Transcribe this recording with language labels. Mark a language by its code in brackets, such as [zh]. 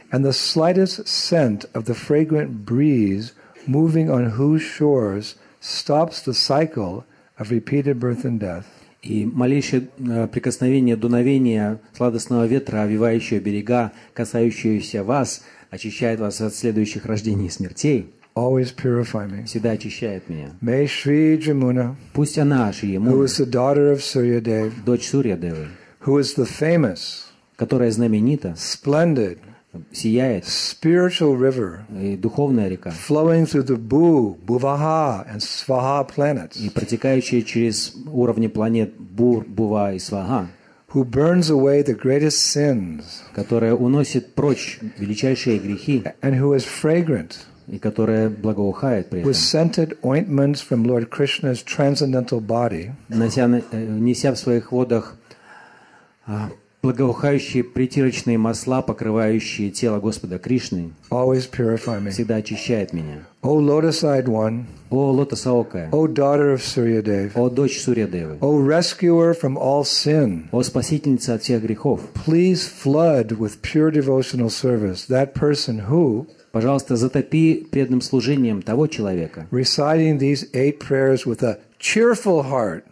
[en] and the slightest scent of the fragrant breeze moving on whose shores stops the cycle of repeated birth and death. [ru] И малейшее прикосновение, дуновение сладостного ветра, овивающего берега, касающегося вас, очищает вас от следующих рождений и смертей. [en] Always purify me. [ru] Всегда очищает меня. [en] May Shri Jamuna, [ru] пусть она, Шри Ямуна, [en] who is the daughter of Suryadev, [ru] дочь Сурьядевы, [en] who is the famous, [ru] которая знаменита, [en] splendid, [ru] сияет, [en] spiritual river, [ru] и духовная река, [en] flowing through the Bhuvaha and Svaha planets, [ru] и протекающая через уровни планет Бува и Сваха, [en] who burns away the greatest sins, [ru] которая уносит прочь величайшие грехи, [en] and who is fragrant, [ru] и которая благоухает при этом, [en] with scented ointments from Lord Krishna's transcendental body, [ru] неся в своих водах благоухающие притирочные масла, покрывающие тело Господа Кришны, [en] always purify me. [ru] Всегда очищает меня. [en] O lotus-eyed one, [ru] о лотосоокая, [en] O daughter of Suryadev, [ru] о дочь Сурьядевы, [en] O rescuer from all sin, [ru] о спасительница от всех грехов, [en] please flood with pure devotional service that person who, [ru] пожалуйста, затопи преданным служением того человека, [en] reciting these eight prayers with a cheerful heart,